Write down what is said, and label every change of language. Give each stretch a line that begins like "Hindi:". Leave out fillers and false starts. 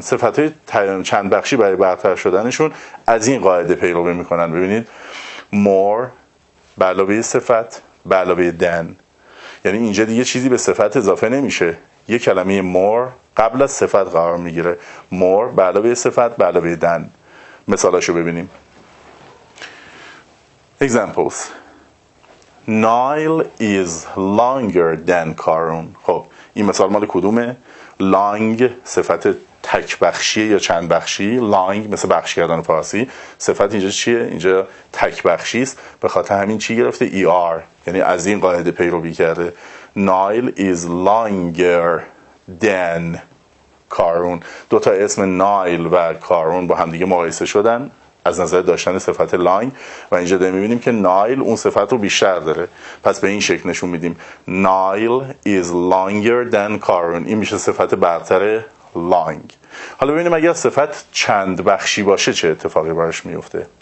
Persian: صفات چند بخشی برای برتر شدنشون از این قاعده پیروی میکنن. ببینید، more به علاوه صفت به علاوه than، یعنی اینجا دیگه چیزی به صفت اضافه نمیشه، یه کلمه more قبل از صفت قرار میگیره. more به علاوه صفت به علاوه than. مثالاشو ببینیم.
English: examples: Nile is longer than Karun.
Persian: خب این مثال مال کدومه؟ long صفت تک بخشی یا چند بخشی، long مثل بخش کردن فارسی، صفت اینجا چیه؟ اینجا تک بخشی است، به خاطر همین چی گرفته؟ ER، یعنی از این قاعده پیروی کرده.
English: Nile is longer than Karun.
Persian: دو تا اسم نایل و کارون با هم دیگه مقایسه شدن از نظر داشتن صفت لانگ، و اینجا داریم میبینیم که نایل اون صفت رو بیشتر داره.
English: پس به این شکل نشون میدیم: Nile is longer than Karun.
Persian: این میشه صفت برتر لانگ. حالا ببینیم اگر صفت چند بخشی باشه چه اتفاقی براش میفته.